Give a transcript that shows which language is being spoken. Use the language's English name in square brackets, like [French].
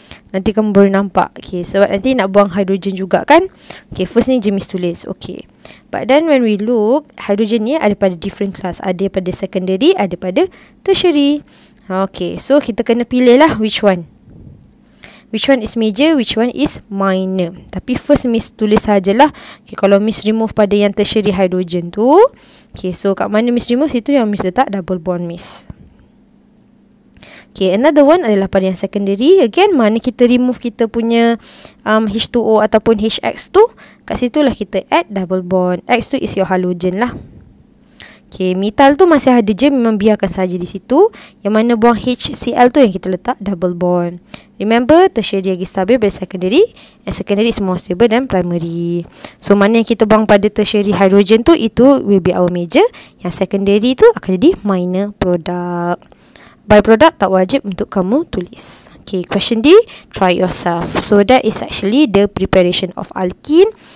[Malay] Nanti kamu boleh nampak. Okay, sebab nanti nak buang hydrogen juga kan. Okay, first ni je Miss tulis. [English] Okay, but then when we look, hydrogen [Malay] ni ada pada [English] different class. [Malay] Ada pada secondary, ada pada tertiary. Okay, so kita kena pilih lah [English] which one. Which one is major, which one is minor. [Malay] Tapi first Miss tulis sajalah. Okay, kalau Miss remove pada yang tertiary hydrogen tu. Okay, so kat mana Miss remove, situ yang Miss letak double bond Miss. Okay, another one adalah pada yang secondary. Again, mana kita remove kita punya H2O ataupun HX tu, kat situ lah kita add double bond. X tu is your halogen lah. Okay, metal tu masih ada je, memang biarkan saja di situ. Yang mana buang HCl tu yang kita letak double bond. Remember, tertiary lagi stabil pada secondary. [English] And secondary is more stable than primary. So, [Malay] mana yang kita buang pada tertiary hydrogen tu, itu [English] will be our major. [Malay] Yang secondary tu akan jadi minor product. Byproduct tak wajib untuk kamu tulis. [English] Okay, question D, try yourself. So, that is actually the preparation of alkene.